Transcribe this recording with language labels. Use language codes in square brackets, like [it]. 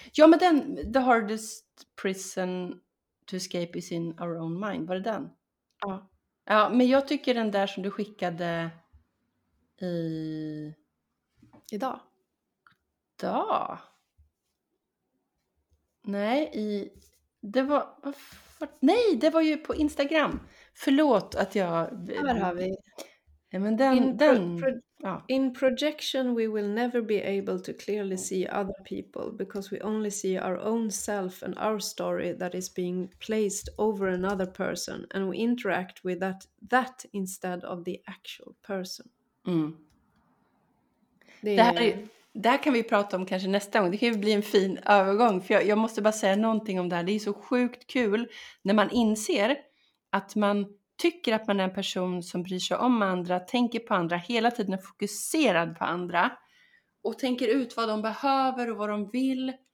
[sv] Ja, men den, [en] The Hardest Prison to Escape is in Our Own Mind. [sv] Var det den? Ja. Ja, men jag tycker den där som du skickade i... Idag. Idag? Nej, i... Det var... Varför? Nej, det var ju på Instagram. Förlåt att jag... Här har vi... Nej, men den... [en] In projection we will never be able to clearly see other people because we only see our own self and our story that is being placed over another person and we interact with that instead of the actual person. Mm. [sv] Det här kan vi prata om kanske nästa gång. Det kan ju bli en fin övergång, för jag måste bara säga någonting om det här. Det är så sjukt kul när man inser att man tycker att man är en person som bryr sig om andra, tänker på andra, hela tiden är fokuserad på andra och tänker ut vad de behöver och vad de vill.